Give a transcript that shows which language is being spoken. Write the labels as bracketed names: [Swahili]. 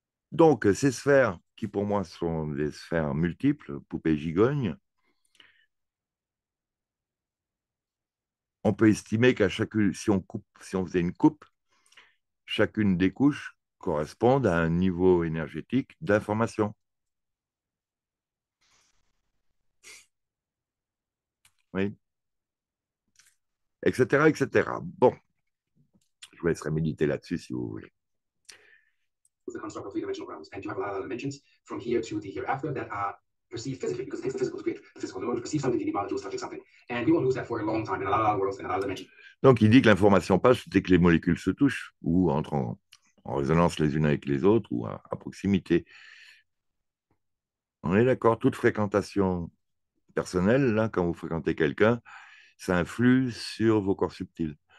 [French] Donc, ces sphères, qui pour moi sont des sphères multiples, poupées gigognes, on peut estimer qu'à chacune, si on faisait une coupe, chacune des couches correspondent à un niveau énergétique d'information. Oui. Etc., etc. Bon, je vous laisserai méditer là-dessus si vous voulez. [English] The construct of three dimensional realms, and you have a lot of dimensions from here to the hereafter that are perceived physically, because the physical is great. The physical, in order to perceive something, you need molecules touching something, and we won't lose that for a long time in a lot of worlds and a lot of dimensions. [French] Donc, il dit que l'information passe dès que les molécules se touchent ou entrent en résonance les unes avec les autres ou à proximité. On est d'accord, toute fréquentation personnelle, là, quand vous fréquentez quelqu'un, ça influe sur vos corps subtils.